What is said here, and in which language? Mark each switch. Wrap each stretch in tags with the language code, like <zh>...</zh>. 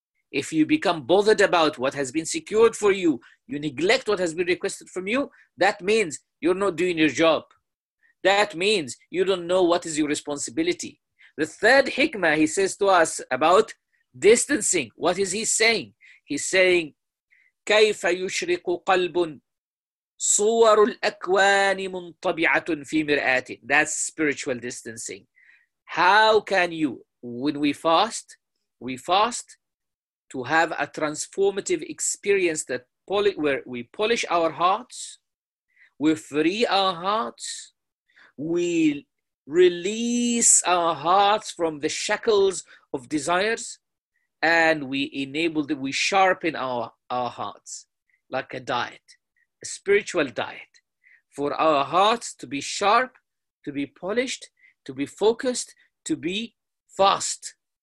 <en>If you become bothered about what has been secured for you, you neglect what has been requested from you, that means you're not doing your job. That means you don't know what is your responsibility. The third hikmah he says to us about distancing. What is he saying? He's saying,</en> <ar>كَيْفَ يُشْرِقُ قَلْبٌ صور الأكوان منطبعة في مرآتي.</ar> <en>That's spiritual distancing. How can you, when we fast to have a transformative experience that where we polish our hearts, we free our hearts, we release our hearts from the shackles of desires, and we enable that, we sharpen our hearts like a diet, a spiritual diet, for our hearts to be sharp, to be polished, to be focused, to be fast.</en>